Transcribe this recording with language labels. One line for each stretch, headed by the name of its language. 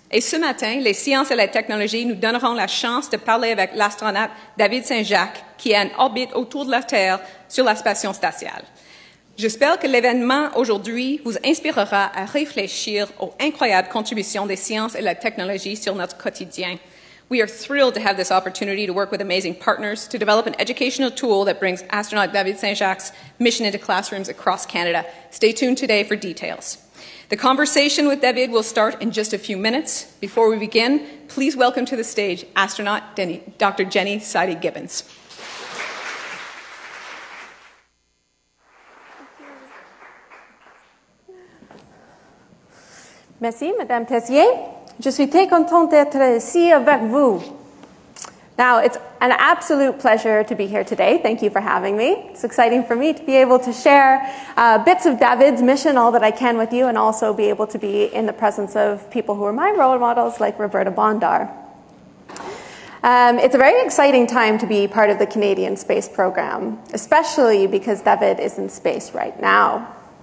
French: Et ce matin, les sciences et la technologie nous donneront la chance de parler avec l'astronaute David Saint-Jacques, qui est en orbite autour de la Terre sur la station spatiale. J'espère que l'événement aujourd'hui vous inspirera à réfléchir aux incroyables contributions des sciences et la technologie sur notre quotidien.
English: We are thrilled to have this opportunity to work with amazing partners to develop an educational tool that brings astronaut David Saint-Jacques' mission into classrooms across Canada. Stay tuned today for details. The conversation with David will start in just a few minutes. Before we begin, please welcome to the stage astronaut Dr. Jenni Sidey-Gibbons.
French: Merci, Madame Tessier. Je suis très contente d'être ici avec vous.
English: Now, it's an absolute pleasure to be here today. Thank you for having me. It's exciting for me to be able to share bits of David's mission, all that I can with you, and also be able to be in the presence of people who are my role models, like Roberta Bondar. It's a very exciting time to be part of the Canadian Space Program, especially because David is in space right now.